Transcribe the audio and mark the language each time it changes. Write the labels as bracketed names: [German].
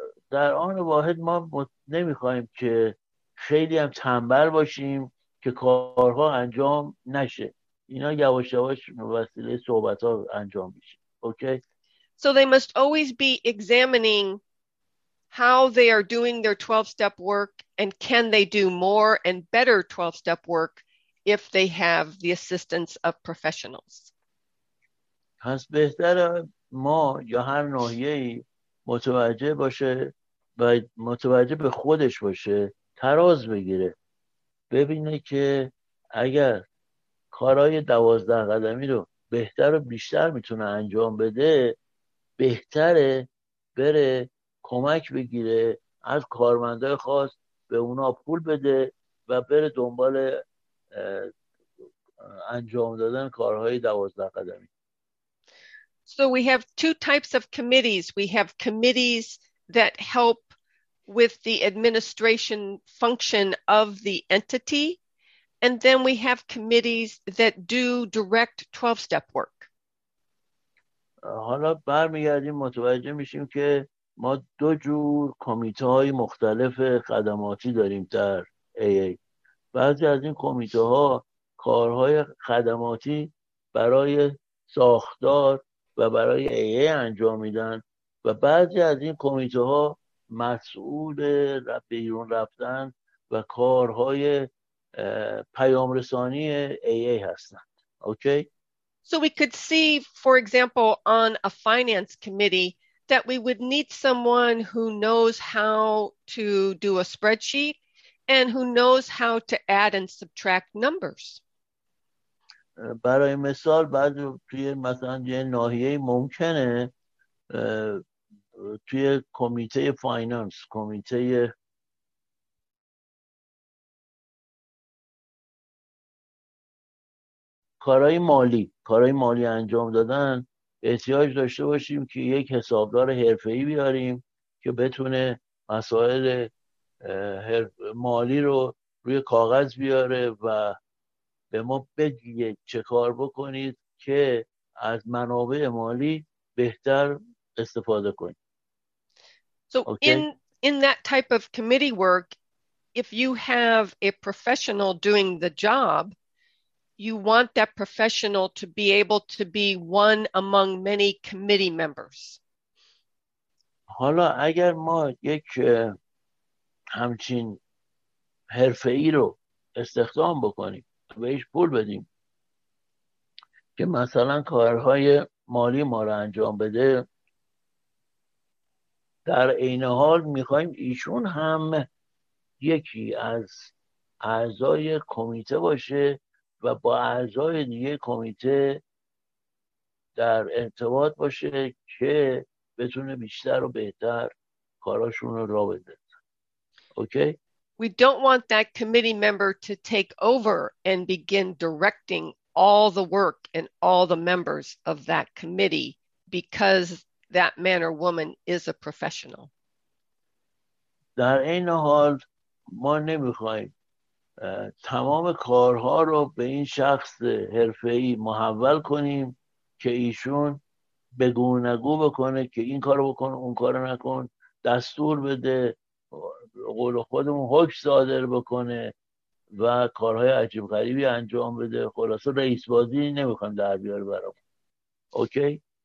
[Persian] در آن واحد ما نمیخوایم که خیلی هم تنبل باشیم که کارها انجام نشه. اینا یواش یواش به وسیله صحبت ها انجام میشه. اوکی؟ [English] So they must always be examining how they are doing their 12-step work and can they do more and better 12-step work if they have the assistance of professionals. [Persian] پس بهتر ما یا هر ناحیه‌ای متوجه باشه و متوجه به خودش باشه، تراز بگیره، ببینه که اگر کارهای 12 قدمی رو بهتر و بیشتر میتونه انجام بده، بهتره بره کمک بگیره از کارمندای خاص، به اونا پول بده و بره دنبال انجام دادن کارهای 12 قدمی. [English] So we have two types of committees. We have committees that help with the administration function of the entity, and then we have committees that do direct 12-step work. [Persian] حالا برمیگردیم متوجه میشیم که ما دو جور کمیته های مختلف خدماتی داریم در AA. بعضی از این کمیته ها کارهای خدماتی برای ساختار و برای AA انجام میدن و بعضی از این کمیته ها مسئول بیرون رفتن و کارهای پیام رسانی AA هستند. اوکی؟ [English] So we could see, for example, on a finance committee that we would need someone who knows how to do a spreadsheet and who knows how to add and subtract numbers. [Persian] برای مثال بعد توی مثلا یه ناحیه ممکنه توی کمیته فایننس، کمیته کارهای مالی انجام دادن احتیاج داشته باشیم که یک حسابدار حرفه‌ای بیاریم که بتونه مسائل مالی رو روی کاغذ بیاره و به ما بگه چه کار بکنید که از منابع مالی بهتر استفاده کنید. [English] So okay. in that type of committee work, if you have a professional doing the job, you want that professional to be able to be one among many committee members. [Persian] حالا اگر ما یک همچین حرفه‌ای رو استخدام بکنیم، بهش پول بدیم که مثلا کارهای مالی ما رو انجام بده، در این حال می‌خوایم ایشون هم یکی از اعضای کمیته باشه و با اعضای دیگه کمیته در ارتباط باشه که بتونه بیشتر و بهتر کاراشون رو راه بندازه. اوکی؟ [English] We don't want that committee member to take over and begin directing all the work and all the members of that committee because that man or woman is a professional. [Persian] در این حال ما نمی‌خوایم تمام کارها رو به این شخص حرفه‌ای محول کنیم که ایشون بگونگو بکنه که این کارو بکن اون کارو نکن، دستور بده، قول خودمون حکم صادر بکنه و کارهای عجیب غریبی انجام بده. خلاصه رئیس بازی نمی‌خوام در بیاره برام. اوکی؟